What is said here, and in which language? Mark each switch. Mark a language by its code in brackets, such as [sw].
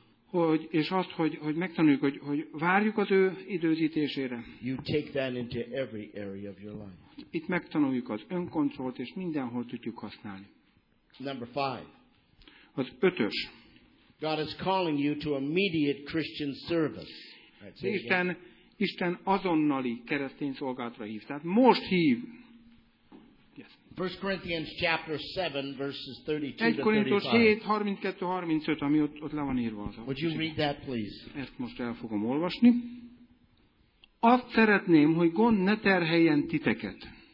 [hu] Hogy, és azt, hogy megtanuljuk, hogy várjuk az ő időzítésére. [en] You take that into every area of your life. [hu] Itt megtanuljuk az önkontrollt, és mindenhol tudjuk használni. [en] Number five. [hu] Az ötös. [en] God is calling you to immediate Christian service. [hu] Isten azonnali keresztény szolgálatra hív. Tehát most hív. [en] Yes. 1 Corinthians chapter 7 verses 32 to [hu] 35. 1 Korintus 7, 32-35, ami ott le van írva. [en] Would you read that, please? [hu] Ezt most el fogom olvasni. Azt szeretném, hogy gond ne terheljen titeket.